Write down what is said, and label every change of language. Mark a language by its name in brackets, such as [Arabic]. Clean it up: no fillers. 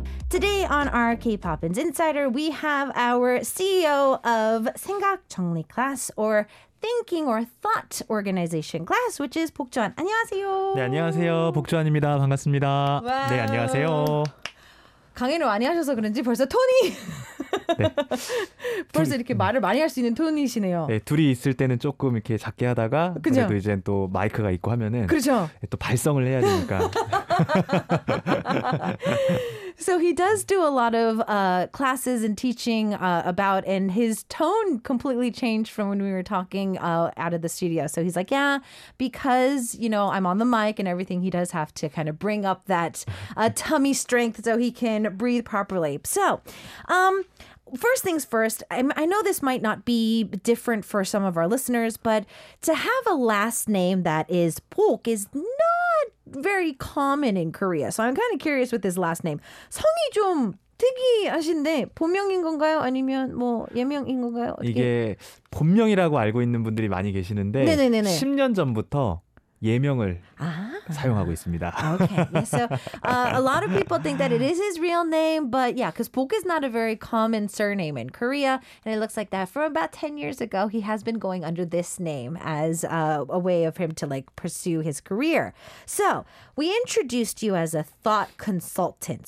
[English] Today on our K-pop's Insider, we have our CEO of Senggak Jeongli Class, or Thinking or Thought Organization Class, which is 복주환. [Korean] 안녕하세요. 네, 안녕하세요. 복주환입니다. 반갑습니다. [English] Wow. [Korean] 네, 안녕하세요. 강의를 많이 하셔서 그런지 벌써 톤이 네. 벌써 이렇게 말을 많이 할 수 있는 톤이시네요. 네, 둘이 있을 때는 조금 이렇게 작게 하다가 그쵸? 그래도 이제 또 마이크가 있고 하면은 그렇죠. 또 발성을 해야 되니까. [English] So he does do a lot of classes and teaching about, and his tone completely changed from when we were talking out of the studio. So he's like, yeah, because, you know, I'm on the mic and everything, he does have to kind of bring up that tummy strength so he can breathe properly. So, first things first, I know this might not be different for some of our listeners, but to have a last name that is Pok is not very common in Korea. So I'm kind of curious with his last name. [Korean] 성이 좀 특이하신데 본명인 건가요? 아니면 뭐 예명인 건가요? 어떻게? 이게 본명이라고 알고 있는 분들이 많이 계시는데 네네네네. 10년 전부터 예명을 사용하고 있습니다. [English] Okay. Yeah, so a lot of people think that it is his real name, but yeah, because Bok is not a very common surname in Korea, and it looks like that from about 10 years ago, he has been going under this name as a way of him to like pursue his career. So we introduced you as a thought consultant.